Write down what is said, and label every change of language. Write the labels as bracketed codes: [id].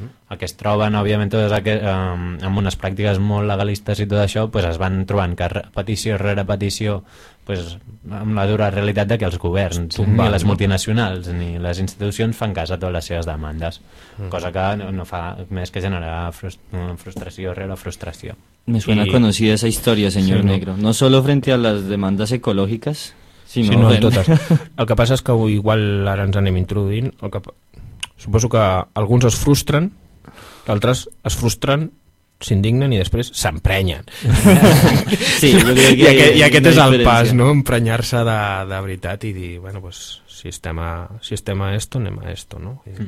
[ca] El que es troben, òbviament, amb unes pràctiques molt legalistes i tot això, pues, es van trobant que petició rere petició pues, amb la dura realitat de que els governs ni les multinacionals ni les institucions fan cas a totes les seves demandes, cosa que no fa més que generar frustració rere frustració. [es] Me suena conocida esa historia, señor Negro. No solo frente a las demandas ecológicas, sinó [ca] en totes. El que passa és que igual ara ens anem introduint. Suposo que alguns es frustren, altres es frustren, s'indignen i després s'emprenyen. Sí, jo crec que i aquest és el pas, no?, emprenyar-se de veritat i dir, bueno, pues, si estem a esto, anem a esto, no?